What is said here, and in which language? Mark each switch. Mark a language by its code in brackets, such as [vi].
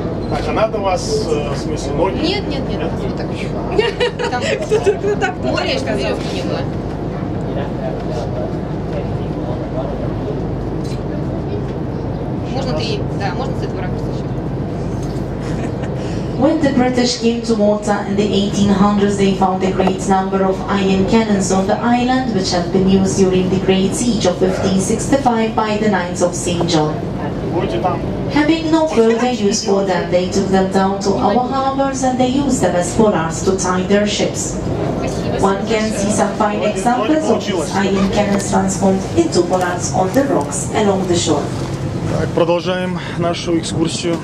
[ru] Так, а надо у вас, в смысле, ноги? Нет, нет, нет, вот так еще. Там только так, кто море, что веревки не было. Можно три, да, можно с этого ракурса еще. [en] When the British came to Malta in the 1800s, they found a great number of iron cannons on the island, which had been used during the Great Siege of 1565 by the Knights of St. John. Having no further use for them, they took them down to our harbors and they used them as bollards to tie their ships. One can see some fine examples of these iron cannons transformed into bollards on the rocks along the shore. [ru] Так, продолжаем нашу экскурсию.